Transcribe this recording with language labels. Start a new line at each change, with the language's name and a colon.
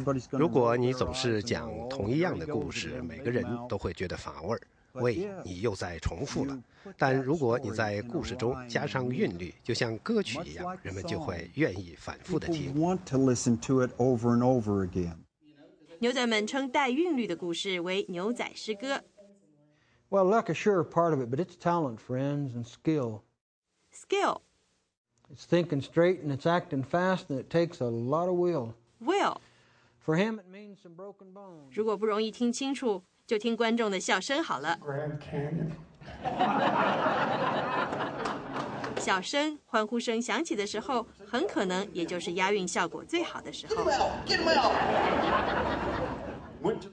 Chinese: 如果你总是讲同一样的故事，每个人都会觉得乏味，喂，你又在重复了。但如果你在故事中加上韵律，就像歌曲一样，人们就会愿意反复的听。牛仔们称带韵律的故事为牛仔诗歌。
English: Well, luck is sure part of it, but it's talent, friends, and skill. Skill. It's thinking straight and it's acting fast and it takes a lot of will. Will. For him, it means some broken bones.
Chinese: 如果不容易听清楚，就听观众的笑声好了。
English: Grand Canyon.
Chinese: 笑声、欢呼声响起的时候，很可能也就是押韵效果最好的时候。
English: Get him out! Get him out!